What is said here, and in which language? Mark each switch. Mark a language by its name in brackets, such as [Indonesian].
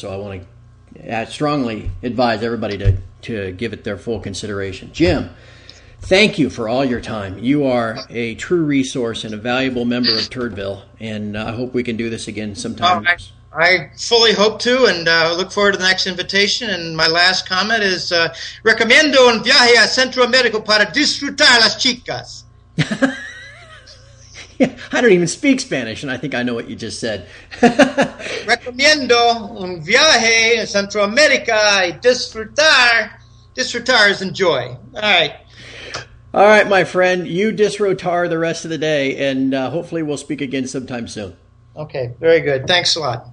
[English] So I want to strongly advise everybody to give it their full consideration. Jim, thank you for all your time. You are a true resource and a valuable member of Turdville, and I hope we can do this again sometime. Oh, I fully hope to, and look forward to the next invitation. And my last comment is, [Spanish] recomiendo un viaje a Centro Américo para disfrutar las chicas. I don't even speak Spanish, and I think I know what you just said. Recomiendo un viaje a Centro América y disfrutar. [English] Disfrutar is enjoy. All right, my friend. You disrotar the rest of the day, and hopefully we'll speak again sometime soon. Okay, very good. Thanks a lot.